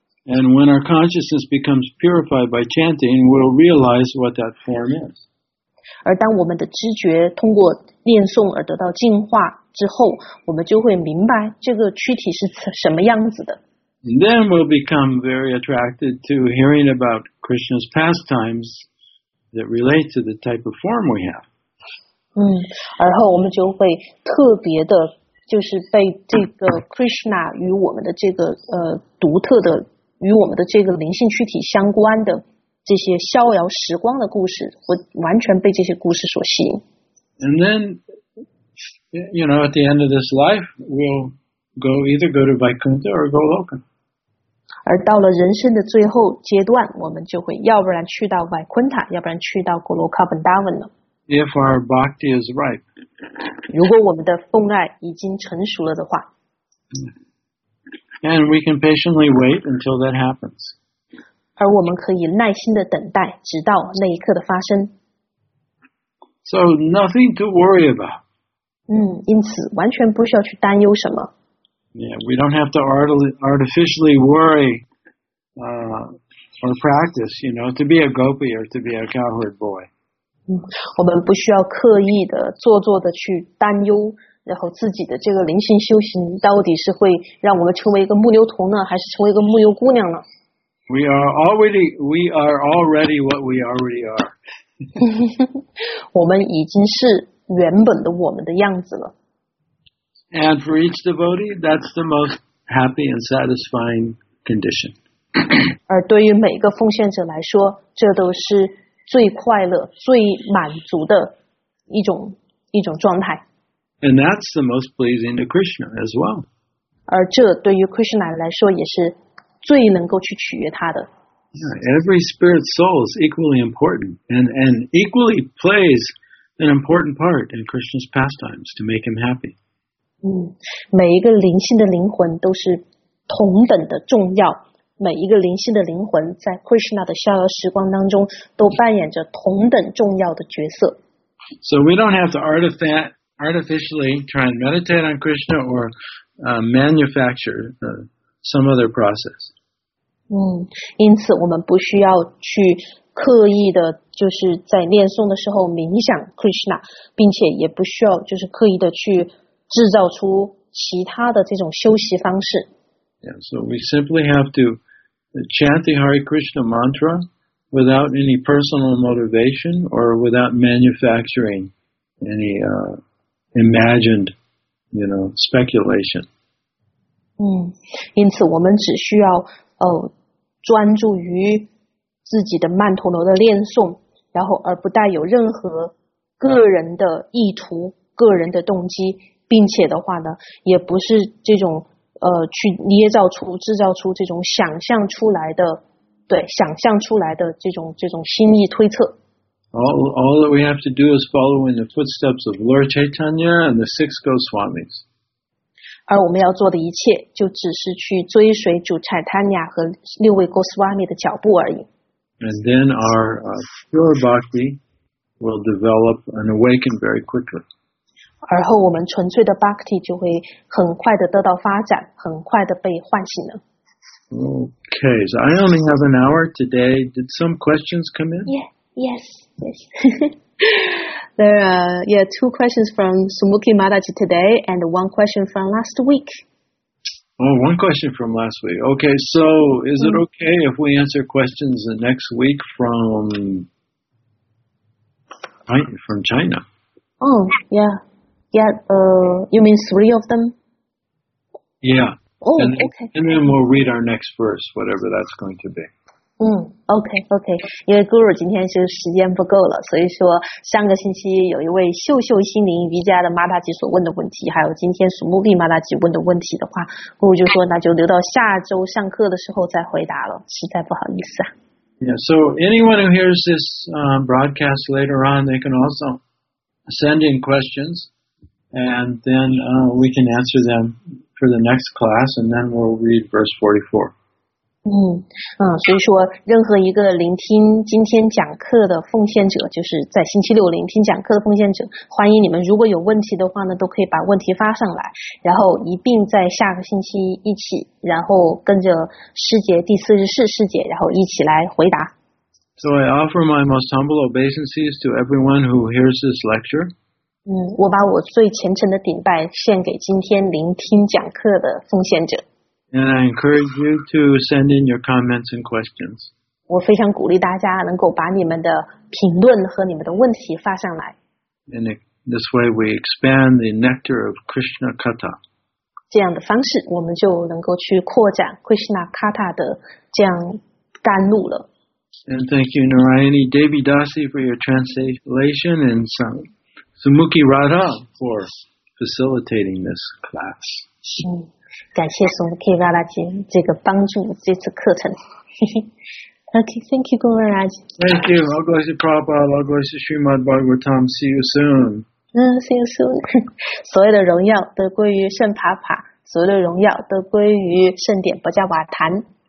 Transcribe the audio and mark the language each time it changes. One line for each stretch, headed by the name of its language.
English: And when our consciousness becomes purified by chanting, we'll realize what that form is.
Chinese: 而当我们的知觉通过念诵而得到净化之后，我们就会明白这个躯体是什么样子的。
English: And then we'll become very attracted to hearing about Krishna's pastimes that relate to the type of form we have.
Chinese: 然后我们就会特别的就是被这个 Krishna 与我们的这个独特的与我们的这个灵性躯体相关的这些逍遥时光的故事，我完全被这些故事所吸引。
English: And then, you know, at the end of this life, we'll go either go to Vaikuntha or go Loka.
Chinese: 而到了人生的最后阶段，我们就会要不然去到 Vaikuntha， 要不然去到 Goloka Vrindavan 了。
English: If our bhakti is ripe.
Chinese: 如果我们的奉爱已经成熟了的话。
English: And we can patiently wait until that happens.
Chinese: 而我们可以耐心的等待，直到那一刻的发生。
English: So nothing to worry about.
Chinese: 因此完全不需要去担忧什么。
English: Yeah, we don't have to artificially worry, or practice, you know, to be a gopi or to be a cowherd boy.
Chinese: 我们不需要刻意的、做作的去担忧，然后自己的这个灵性修行到底是会让我们成为一个牧牛童呢，还是成为一个牧牛姑娘呢？
English: We are already what we already are.
Chinese: 我们已经是原本的我们的样子了。
English: And for each devotee, that's the most happy and satisfying condition.
Chinese: 而对于每个奉献者来说，这都是最快乐、最满足的一种状态。
English: And that's the most pleasing to Krishna as well.
Chinese: 而这对于 Krishna 来说也是最能够去取悦他的。
English: Yeah, every spirit soul is equally important and equally plays an important part in Krishna's pastimes to make him happy.
Chinese: 每一个灵性的灵魂都是同等的重要，每一个灵性的灵魂在 Krishna 的逍遥时光当中都扮演着同等重要的角色。
English: So we don't have to artificially try and meditate on Krishna or manufacture some other process.
Chinese: 因此我们不需要去刻意的就是在念诵的时候冥想 Krishna， 并且也不需要就是刻意的去制造出其他的这种休息方式。
English: Yeah, so we simply have to chant the Hare Krishna mantra without any personal motivation or without manufacturing any imagined, you know, speculation.
Chinese: 因此我们只需要专注于自己的曼陀罗的念诵，然后而不带有任何个人的意图、个人的动机，并且的话呢，也不是这种去制造出这种想象出来的，对，想象出来的这种心意推测。
English: All that we have to do is follow in the footsteps of Lord Chaitanya and the six Goswamis.
Chinese: 而我们要做的一切就只是去追随主 Chaitanya 和六位 Goswami 的脚步而已。
English: And then our pure bhakti will develop and awaken very quickly.
Chinese: 而后我们纯粹的 bhakti 就会很快的得到发展，很快的被唤醒了。
English: Okay, so I only have an hour today. Did some questions come in? Yeah. Yes. There are two questions from Sumukhi Mataji today and one question from last week. Oh, one question from last week. Okay, so is it okay if we answer questions the next week from China? Oh, yeah. Yeah, you mean three of them? Yeah. Oh, and okay. And then we'll read our next verse, whatever that's going to be.
Chinese: OK, 因为 Guru 今天是时间不够了，所以说上个星期有一位秀秀心灵瑜伽的 Mataji 所问的问题，还有今天 Sumukhi Mataji 问的问题的话， Guru 就说那就留到下周上课的时候再回答了，实在不好意思啊。
English: Yeah, so anyone who hears this broadcast later on, they can also send in questions, and then we can answer them for the next class, and then we'll read verse 44.
Chinese: 所以说任何一个聆听今天讲课的奉献者，就是在星期六聆听讲课的奉献者，欢迎你们如果有问题的话呢，都可以把问题发上来，然后一并在下个星期一起，然后跟着师姐第44师姐然后一起来回答。
English: So I offer my most humble obeisances to everyone who hears this lecture.
Chinese: 我把我最虔诚的顶拜献给今天聆听讲课的奉献者。
English: And I encourage you to send in your comments and questions.
Chinese: 我非常鼓励大家能够把你们的评论和你们的问题发上来。
English: In this way, we expand the nectar of Krishna Katha.
Chinese: 这样的方式，我们就能够去扩展 Krishna Katha 的这样甘露了。
English: And thank you, Narayani Devi Dasi, for your translation, and Sumukhi Radha for facilitating this class.
Chinese: 感谢 Sumukhi Radha 这个帮助这次课程。
English: Okay, thank you, Guru Raj. Thank you. Agosi Prabhupada, Agosi Srimad Bhagavatam. See you soon. See you soon.
Chinese: 所有的荣耀都归于圣帕帕，所有的荣耀都归于圣典波迦瓦坛。